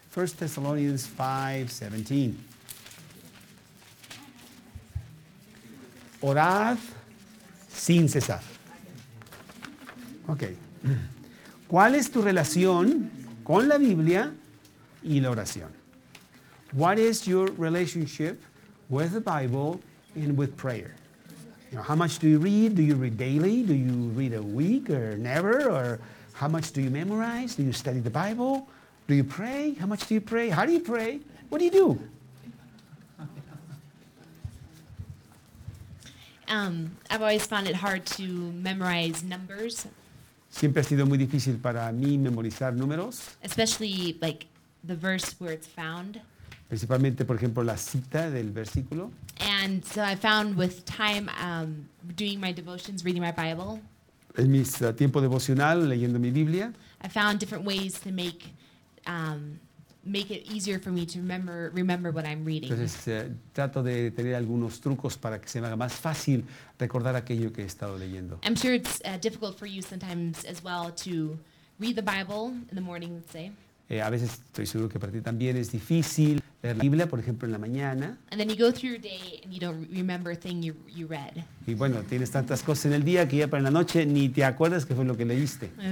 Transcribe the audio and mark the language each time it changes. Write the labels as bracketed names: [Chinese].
[English] 1 Thessalonians 5:17. [Spanish] Orad sin cesar. Ok. ¿Cuál es tu relación con la Biblia y la oración? [English] What is your relationship with the Bible and with prayer? You know, how much do you read? Do you read daily? Do you read a week or never? Or how much do you memorize? Do you study the Bible? Do you pray? How much do you pray? How do you pray? What do you do? I've always found it hard to memorize numbers. [Spanish] Siempre ha sido muy difícil para mí memorizar números. [English] Especially like the verse where it's found. [Spanish] Principalmente, por ejemplo, la cita del versículo. [English] And so I found with time doing my devotions, reading my Bible. [Spanish] En mi tiempo devocional, leyendo mi Biblia. [English] I found different ways to make make it easier for me to remember what I'm reading. [Spanish] Entonces, trato de tener algunos trucos para que se me haga más fácil recordar aquello que he estado leyendo. [English] I'm sure it's difficult for you sometimes as well to read the Bible in the morning, let's say. [Spanish] A veces estoy seguro que para ti también es difícil leer la Biblia, por ejemplo, en la mañana. [English] And then you go through your day and you don't remember a thing you read. [Spanish] Y bueno, tienes tantas cosas en el día que ya para la noche ni te acuerdas qué fue lo que leíste.